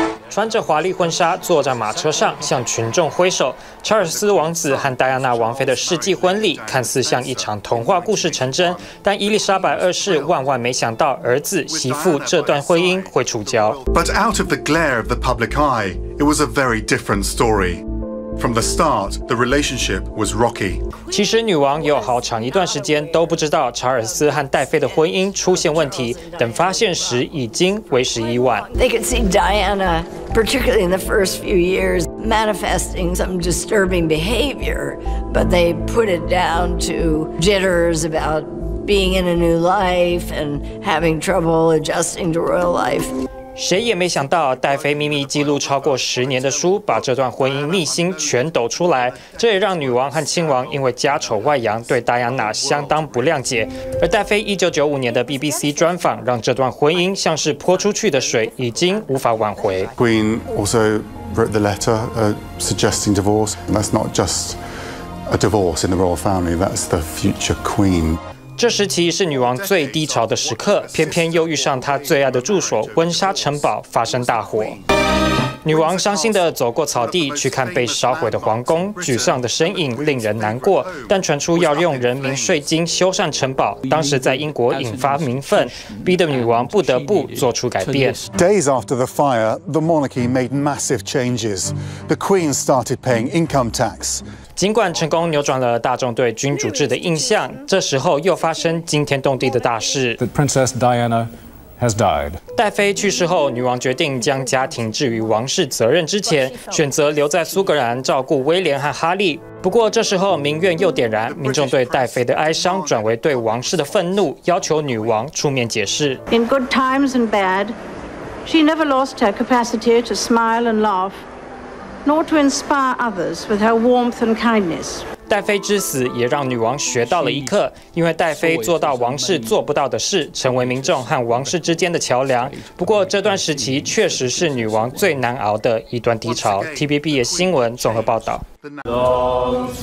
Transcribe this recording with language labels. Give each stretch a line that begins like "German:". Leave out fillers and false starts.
Chinese: 穿着华丽婚纱，坐在马车上向群众挥手。查尔斯王子和戴安娜王妃的世纪婚礼看似像一场童话故事成真，但伊丽莎白二世万万没想到儿子媳妇这段婚姻会触礁。
English: But out of the glare of the public eye, it was a very different story. From the start, the relationship was rocky.
Chinese: 其实女王有好长一段时间都不知道查尔斯和戴妃的婚姻出现问题，等发现时已经为时已晚。
English: They could see Diana, particularly in the first few years, manifesting some disturbing behavior, but they put it down to jitters about being in a new life and having trouble adjusting to royal life.
Chinese: 谁也没想到戴妃秘密记录超过十年的书把这段婚姻秘辛全抖出来，这也让女王和亲王因为家丑外扬对戴安娜相当不谅解。而戴妃1995年的 BBC 专访让这段婚姻像是泼出去的水已经无法挽回。
English: Queen also wrote the letter suggesting divorce. That's not just a divorce in the royal family, that's the future queen.
Chinese: 这时期是女王最低潮的时刻，偏偏又遇上她最爱的住所温莎城堡发生大火。女王伤心地走过草地去看被烧毁的皇宫，沮丧的身影令人难过，但传出要用人民税金修缮城堡，当时在英国引发民愤，逼得女王不得不做出改变。
English: Days after the fire, the monarchy made massive changes. The Queen started paying income tax.
Chinese: 尽管成功扭转了大众对君主制的印象，这时候又发生惊天动地的大事。
English: The Princess Diana has died.
Chinese: 戴妃去世后，女王决定将家庭置于王室责任之前，选择留在苏格兰照顾威廉和哈利。不过这时候民怨又点燃，民众对戴妃的哀伤转为对王室的愤怒，要求女王出面解释。
English: In good times and bad, she never lost her capacity to smile and laugh. Nor to inspire others with her warmth and kindness.
Chinese: 戴妃之死也让女王学到了一课，因为戴妃做到王室做不到的事，成为民众和王室之间的桥梁。不过这段时期确实是女王最难熬的一段低潮。 TVBS 新闻综合报道。